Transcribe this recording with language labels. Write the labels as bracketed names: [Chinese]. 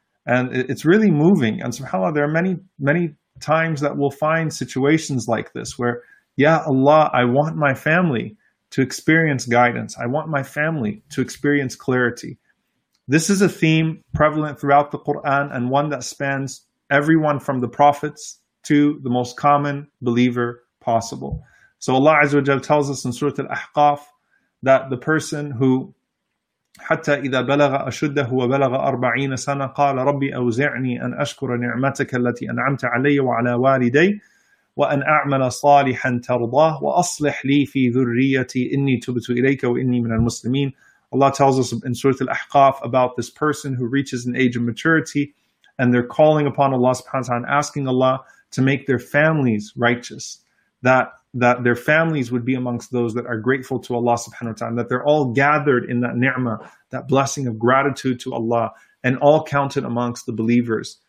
[English] And it's really moving. And subhanAllah, there are many, many times that we'll find situations like this where, "Ya Allah, I want my family to experience guidance. I want my family to experience clarity." This is a theme prevalent throughout the Quran and one that spans everyone from the prophets to the most common believer possible. So Allah Azza wa Jal tells us in Surah Al-Ahqaf that the person who [Arabic] حَتَّى إِذَا بَلَغَ أَشُدَّهُ وَبَلَغَ أَرْبَعِينَ سَنَةً قَالَ رَبِّ أَوْزِعْنِي أَنْ أَشْكُرَ نِعْمَتَكَ الَّتِي أَنْعَمْتَ عَلَيَّ وَعَلَى وَالِدَيْ وَأَنْ أَعْمَلَ صَالِحًا تَرْضَاهُ وَأَصْلِحْ لِي فِي ذُرِّيَّتِي إِنِّي تُبْتُ إِلَيْكَ وَإِنِّي مِنَ الْمُسْلِمِينَ. [English] Allah tells us in Surah Al-Ahqaf about this person who reaches an age of maturity and they're calling upon Allah subhanahu wa ta'ala, asking Allah to make their families righteous, that that their families would be amongst those that are grateful to Allah subhanahu wa ta'ala, that they're all gathered in that ni'mah, that blessing of gratitude to Allah, and all counted amongst the believers.